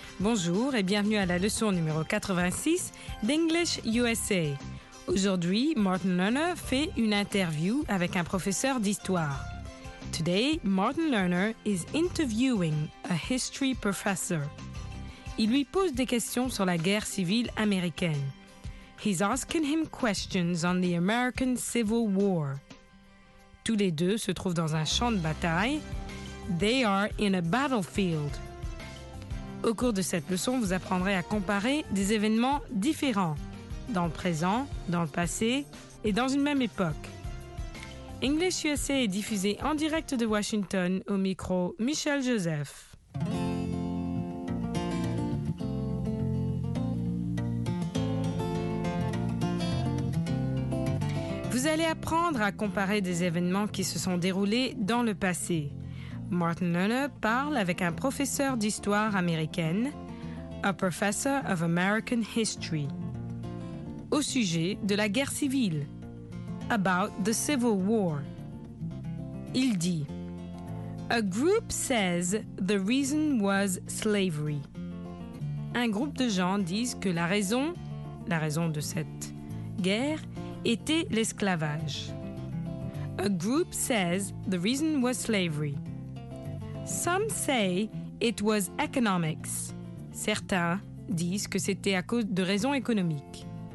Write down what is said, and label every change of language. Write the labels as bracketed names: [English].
[French] Bonjour et bienvenue à la leçon numéro 86 d'English USA. Aujourd'hui, Martin Lerner fait une interview avec un professeur d'histoire. [English] Today, Martin Lerner is interviewing a history professor. [French] Il lui pose des questions sur la guerre civile américaine. [English] He's asking him questions on the American Civil War. [French] Tous les deux se trouvent dans un champ de bataille. [English] They are in a battlefield. [French] Au cours de cette leçon, vous apprendrez à comparer des événements différents, dans le présent, dans le passé et dans une même époque. English USA est diffusé en direct de Washington au micro Michel Joseph. Vous allez apprendre à comparer des événements qui se sont déroulés dans le passé. Martin Lerner parle avec un professeur d'histoire américaine, [English] a professor of American history, [French] au sujet de la guerre civile, [English] about the Civil War. [French] Il dit, [English] a group says the reason was slavery. [French] Un groupe de gens disent que la raison de cette guerre était l'esclavage. [English] A group says the reason was slavery. Some say it was economics. [French] Certains disent que c'était à cause de raisons économiques.